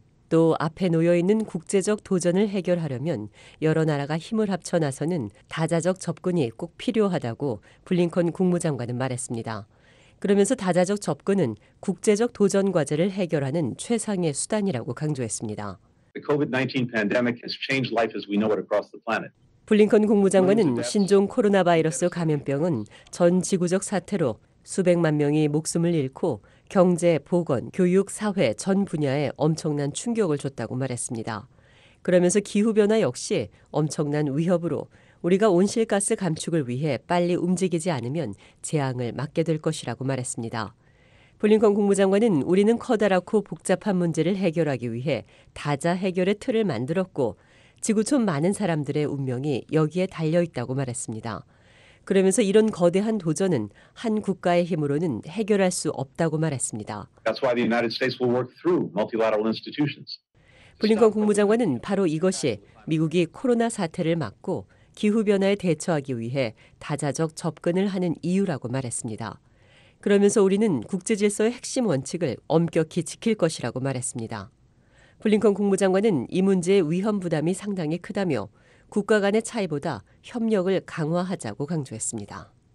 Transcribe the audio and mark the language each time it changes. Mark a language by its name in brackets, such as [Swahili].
[Korean] 또 앞에 놓여있는 국제적 도전을 해결하려면 여러 나라가 힘을 합쳐 나서는 다자적 접근이 꼭 필요하다고 블링컨 국무장관은 말했습니다. 그러면서 다자적 접근은 국제적 도전 과제를 해결하는 최상의 수단이라고 강조했습니다. [English] The COVID-19 pandemic has changed life as we know it across the planet. [Korean] 블링컨 국무장관은 신종 코로나 바이러스 감염병은 전 지구적 사태로 수백만 명이 목숨을 잃고 경제, 보건, 교육, 사회 전 분야에 엄청난 충격을 줬다고 말했습니다. 그러면서 기후변화 역시 엄청난 위협으로 우리가 온실가스 감축을 위해 빨리 움직이지 않으면 재앙을 맞게 될 것이라고 말했습니다. 블링컨 국무장관은 우리는 커다랗고 복잡한 문제를 해결하기 위해 다자 해결의 틀을 만들었고 지구촌 많은 사람들의 운명이 여기에 달려있다고 말했습니다. 그러면서 이런 거대한 도전은 한 국가의 힘으로는 해결할 수 없다고 말했습니다. [English] That's why the United States will work through multilateral institutions. [Korean] 블링컨 국무장관은 바로 이것이 미국이 코로나 사태를 막고 기후변화에 대처하기 위해 다자적 접근을 하는 이유라고 말했습니다. 그러면서 우리는 국제질서의 핵심 원칙을 엄격히 지킬 것이라고 말했습니다. 블링컨 국무장관은 이 문제의 위험 부담이 상당히 크다며 국가 간의 차이보다 협력을 강화하자고 강조했습니다.